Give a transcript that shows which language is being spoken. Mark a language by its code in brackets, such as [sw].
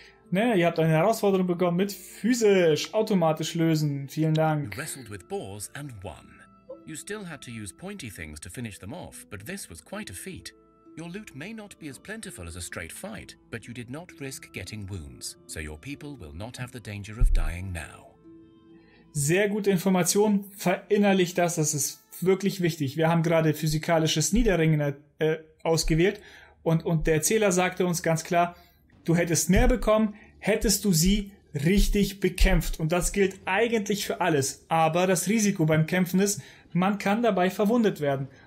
[de] Ne, ihr habt eine Herausforderung bekommen mit physisch automatisch lösen. Vielen Dank. [en] You wrestled with boars and won. You still had to use pointy things to finish them off, but this was quite a feat. Your loot may not be as plentiful as a straight fight, but you did not risk getting wounds, so your people will not have the danger of dying now. [de] Sehr gute Information. Verinnerlich das, dass es wirklich wichtig. Wir haben gerade physikalisches Niederringen ausgewählt und der Erzähler sagte uns ganz klar, du hättest mehr bekommen, hättest du sie richtig bekämpft. Und das gilt eigentlich für alles. Aber das Risiko beim Kämpfen ist, man kann dabei verwundet werden.